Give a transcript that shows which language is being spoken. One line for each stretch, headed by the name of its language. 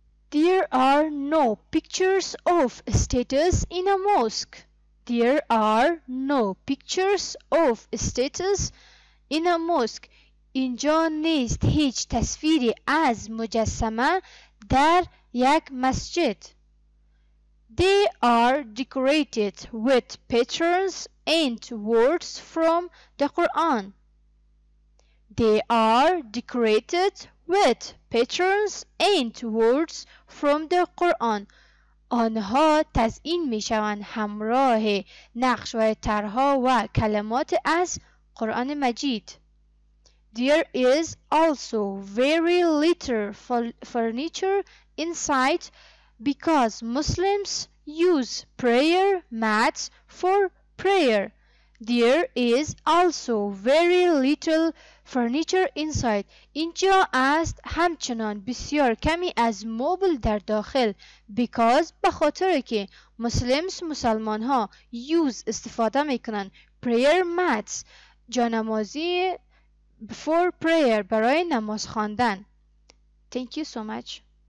English: There are no pictures of status in a mosque. There are no pictures of statues in a mosque.
Persian: اینجا نیست هیچ تصویری از مجسمه در یک مسجد.
English: They are decorated with patterns and words from the Quran. They are decorated with patterns and words from the Quran.
Persian: آنها تزیین می شوند همراه نقش و طرح و کلمات از قرآن مجید.
English: There is also very little furniture inside because Muslims use prayer mats for prayer. There is also very little furniture inside.
Persian: اینجا است همچنان بسیار کمی از مبل در داخل
English: because
Persian: بخاطر که
English: Muslims
Persian: مسلمان ها
English: use
Persian: استفاده میکنن
English: prayer mats
Persian: جانمازی
English: for prayer
Persian: برای نماز خواندن.
English: Thank you so much.